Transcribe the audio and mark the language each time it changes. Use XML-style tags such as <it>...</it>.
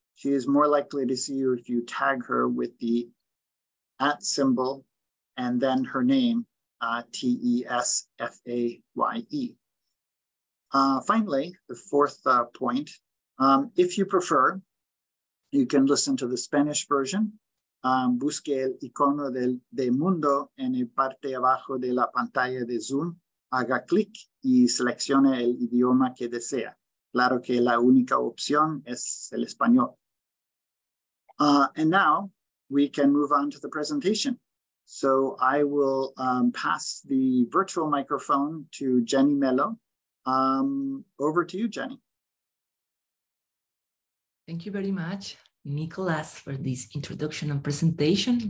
<en>She is more likely to see you if you tag her with the at symbol and then her name, T-E-S-F-A-Y-E. Finally, the fourth point, if you prefer, you can listen to the Spanish version.</en> <es>Busque el icono de mundo en el parte abajo de la pantalla de Zoom. Haga clic y seleccione el idioma que desea. Claro que la única opción es el español.</es> <en>And now we can move on to the presentation. So I will pass the virtual microphone to Jenny Mello. Over to you, Jenny. Thank you very much, Nicholas, for this introduction and presentation.</en>